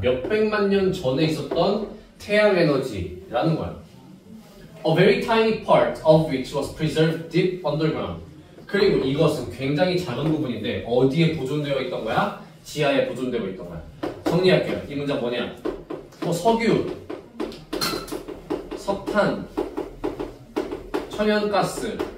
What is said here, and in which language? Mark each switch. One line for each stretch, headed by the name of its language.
Korean: 몇 백만 년 전에 있었던 태양 에너지라는 거야.
English: A very tiny part of which was preserved deep underground.
Korean: 그리고 이것은 굉장히 작은 부분인데 어디에 보존되어 있던 거야? 지하에 보존되어 있던 거야. 정리할게요. 이 문장 뭐냐? 뭐 석유, 석탄, 천연가스.